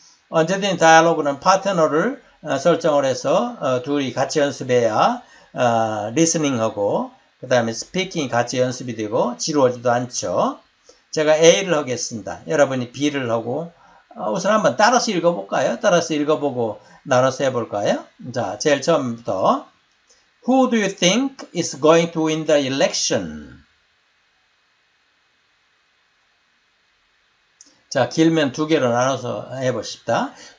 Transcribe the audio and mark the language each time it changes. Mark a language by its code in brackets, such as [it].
[ko] 언제든 다이아로그는 파트너를 설정을 해서 둘이 같이 연습해야 리스닝하고 그 다음에 스피킹이 같이 연습이 되고 지루하지도 않죠. 제가 A를 하겠습니다. 여러분이 B를 하고 우선 한번 따라서 읽어볼까요? 따라서 읽어보고 나눠서 해볼까요? 자, 제일 처음부터 [en] Who do you think is going to win the election? [ko] 자, 길면 두 개로 나눠서 해보십시다.